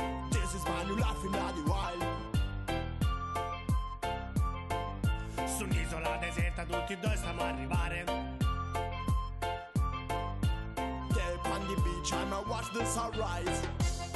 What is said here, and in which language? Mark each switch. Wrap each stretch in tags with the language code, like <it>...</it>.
<en>This is my new life in Bloody Wild.</en> <it>Su un'isola deserta tutti e due stiamo a arrivare.</it> <en>They're on the beach, I'ma watch the sunrise.</en>